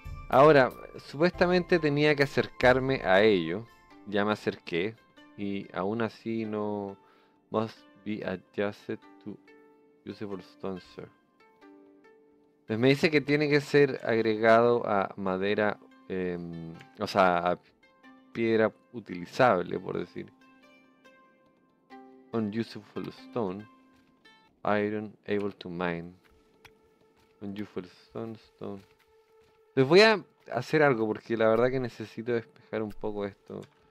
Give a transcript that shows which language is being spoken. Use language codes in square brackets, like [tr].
[es] Ahora, supuestamente tenía que acercarme a ello, ya me acerqué, y aún así no. [en] Must be adjusted to usable stone, sir. [es] Pues me dice que tiene que ser agregado a madera, o sea, a piedra utilizable, por decir. [en] Unusable stone, iron able to mine. Unusable stone. [es] Les voy a hacer algo porque la verdad que necesito despejar un poco esto.